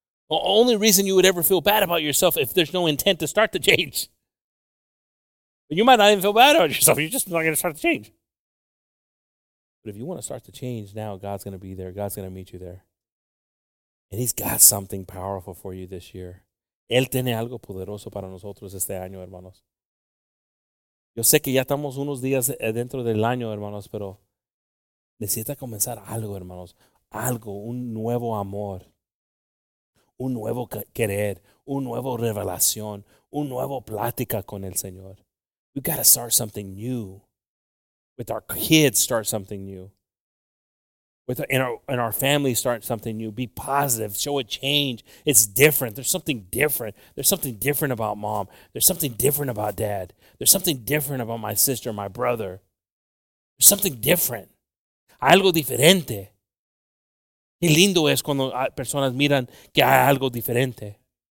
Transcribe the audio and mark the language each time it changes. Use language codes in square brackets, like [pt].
[en] The only reason you would ever feel bad about yourself if there's no intent to start the change. You might not even feel bad about yourself. You're just not going to start the change. But if you want to start the change now, God's going to be there. God's going to meet you there. And he's got something powerful for you this year. [es] Él tiene algo poderoso para nosotros este año, hermanos. Yo sé que ya estamos unos días dentro del año, hermanos, pero necesita comenzar algo, hermanos. Algo, un nuevo amor. Un nuevo querer. Un nuevo revelación. Un nuevo plática con el Señor. [en] We've got to start something new. With our kids, start something new. With in our family, start something new. Be positive. Show a change. It's different. There's something different. There's something different about mom. There's something different about dad. There's something different about my sister, my brother. There's something different. [es] Algo diferente. Qué lindo es cuando personas miran que hay algo diferente.